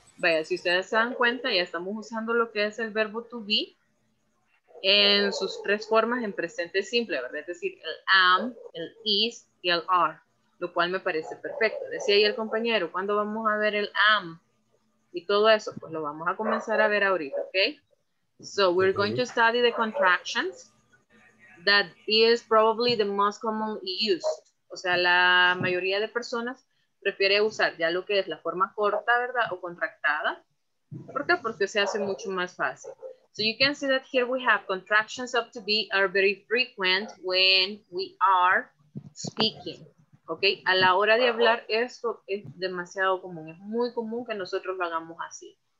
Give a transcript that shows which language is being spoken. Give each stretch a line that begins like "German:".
Spanish: Vaya, si ustedes se dan cuenta, ya estamos usando lo que es el verbo to be en sus tres formas en presente simple, ¿verdad? Es decir, el am, el is y el are, lo cual me parece perfecto. Decía ahí el compañero, ¿cuándo vamos a ver el am y todo eso, pues lo vamos a comenzar a ver ahorita, ¿ok?
English: So we're going to study the contractions that is probably the most common use.
Spanish: O sea, la mayoría de personas prefiere usar ya lo que es la forma corta, ¿verdad? O contractada. ¿Por qué? Porque se hace mucho más fácil.
English: So you can see that here we have contractions of to be are very frequent when we are speaking.
Spanish: ¿Ok? A la hora de hablar, esto es demasiado común. Es muy común que nosotros lo hagamos así.